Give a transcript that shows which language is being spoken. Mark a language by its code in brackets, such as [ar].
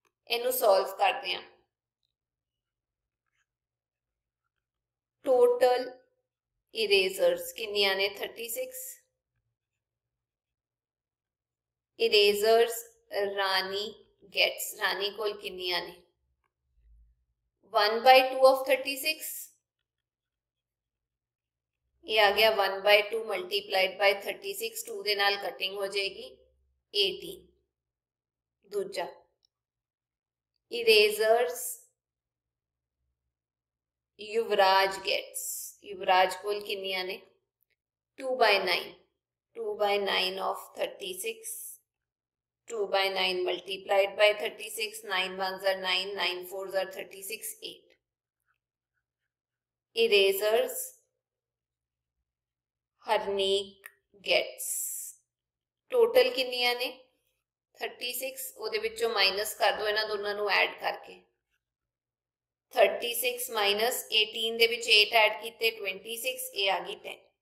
[pa] ਇਹਨੂੰ ਸੋਲਵ ਕਰਦੇ ਹਾਂ, ਟੋਟਲ erasers ਕਿੰਨੀਆਂ ਨੇ, 36 erasers ਰਾਣੀ gets, ਰਾਣੀ ਕੋਲ ਕਿੰਨੀਆਂ ਨੇ, 1 by 2 of 36, ਇਹ ਆ ਗਿਆ [en] 1 by 2 multiplied by 36, [pa] 2 ਦੇ ਨਾਲ ਕਟਿੰਗ ਹੋ ਜਾਏਗੀ 18। ਦੂਜਾ, erasers ਯੁਵਰਾਜ gets, ਯੁਵਰਾਜ ਕੋਲ ਕਿੰਨੀਆਂ ਨੇ, [en] 2 by 9, 2 by 9 of 36, 2 by 9 multiplied by 36, 9 ones are 9, 9 fours are 36, [pa] 8. Erasers, Harneek gets, total ਕਿੰਨੀਆਂ ਨੇ, 36, ਉਹਦੇ ਵਿੱਚੋਂ ਮਾਈਨਸ ਕਰ ਦਿਓ ਇਹਨਾਂ ਦੋਨਾਂ ਨੂੰ ਐਡ ਕਰਕੇ, [en] 36 minus 18 [pa] ਦੇ ਵਿੱਚ 8 ਐਡ ਕੀਤੇ 26, ਇਹ ਆ ਗਈ 10।